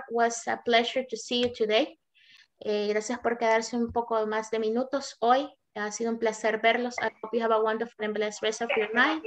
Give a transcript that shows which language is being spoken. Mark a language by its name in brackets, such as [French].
[English] It was a pleasure to see you today. [Spanish] Gracias por quedarse un poco más de minutos hoy. Ha sido un placer verlos. [English] I hope you have a wonderful and blessed rest of your night.